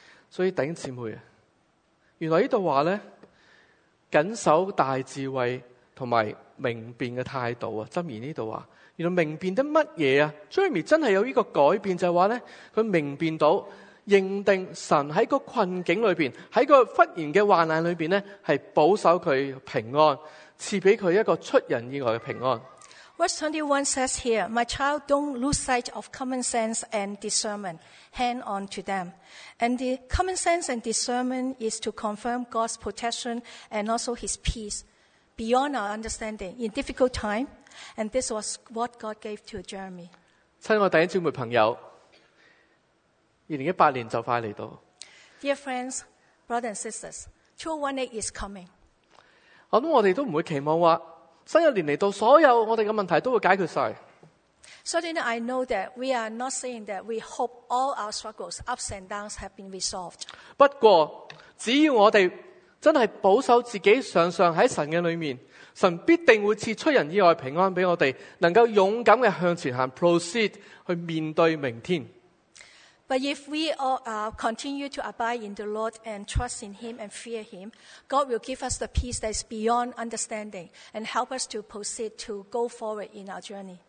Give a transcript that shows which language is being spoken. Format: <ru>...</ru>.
<zh>所以弟兄姊妹，原来这里说呢谨守大智慧和明辨的态度，箴言这里说原来明辨的什么 Jeremy 真的有这个改变，就是说呢他明辨到认定神在个困境里面，在个忽然的患难里面呢，是保守他平安，赐给他一个出人意外的平安。</zh> <en>Verse 21 says here, My child, don't lose sight of common sense and discernment. Hang on to them. And the common sense and discernment is to confirm God's protection and also His peace beyond our understanding in difficult time. And this was what God gave to Jeremy.</en> <zh>亲爱的弟兄姊妹朋友，2018年就快来到。</zh> <en>Dear friends, brothers and sisters, 2018 is coming.</en> <zh>我想我们都不会期望说新一年来到所有我们的问题都会解决了。</zh> <en>Certainly, I know that we are not saying that we hope all our struggles, ups and downs have been resolved.</en> <zh>不过只要我们真的保守自己常常在神的里面，神必定会赐出人意外平安给我们，能够勇敢地向前行 proceed 去面对明天。</zh> <en>But if we all, continue to abide in the Lord and trust in Him and fear Him, God will give us the peace that is beyond understanding and help us to proceed to go forward in our journey.</en>